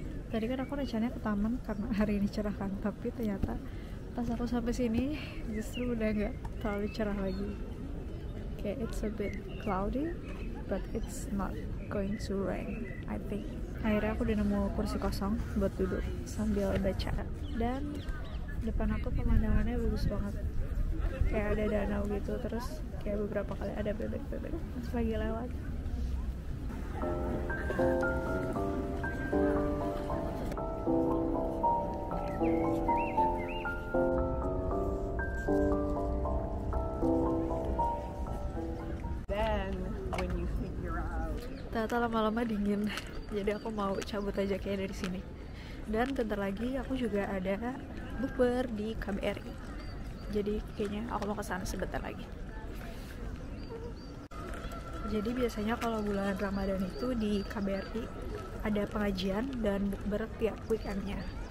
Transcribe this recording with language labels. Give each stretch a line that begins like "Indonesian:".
Indonesian: Tadi kan aku rencananya ke taman karena hari ini cerah kan, tapi ternyata pas aku sampai sini justru udah nggak terlalu cerah lagi.
English: Kayak it's a bit cloudy, but it's not going to rain, I think.
Indonesian: Akhirnya aku udah nemu kursi kosong buat duduk sambil baca. Dan depan aku pemandangannya bagus banget. Kayak ada danau gitu, terus kayak beberapa kali ada bebek-bebek pas lagi lewat.
English: Then when you figure out.
Indonesian: Ternyata lama-lama dingin. Jadi aku mau cabut aja kayak dari sini. Dan bentar lagi aku juga ada bukber di KBRI. Jadi kayaknya aku mau kesana sebentar lagi. Jadi biasanya kalau bulan Ramadan itu di KBRI ada pengajian dan bukber tiap weekendnya.